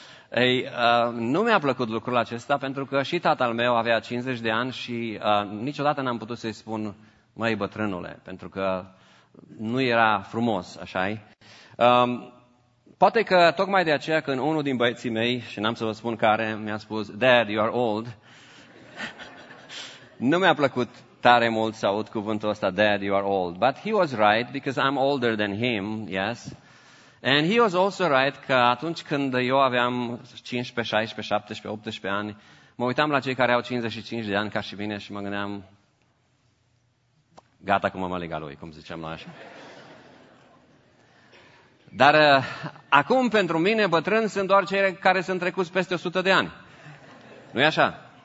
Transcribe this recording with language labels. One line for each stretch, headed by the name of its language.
Romanian: Ei, nu mi-a plăcut lucrul acesta, pentru că și tatăl meu avea 50 de ani și niciodată n-am putut să-i spun, măi, bătrânule, pentru că nu era frumos, așa-i? Poate că tocmai de aceea când unul din băieții mei, și n-am să vă spun care, mi-a spus,
English: Dad, you are old,
Romanian: nu mi-a plăcut tare mult să aud cuvântul ăsta, Dad, you are old.
English: But he was right, because I'm older than him, yes. And he was also right
Romanian: că atunci când eu aveam 15, 16, 17, 18 ani, mă uitam la cei care au 55 de ani ca și mine și mă gândeam, gata cu mama legală lui, cum ziceam la așa. Dar acum pentru mine bătrân sunt doar cei care sunt trecuți peste 100 de ani. Nu-i așa?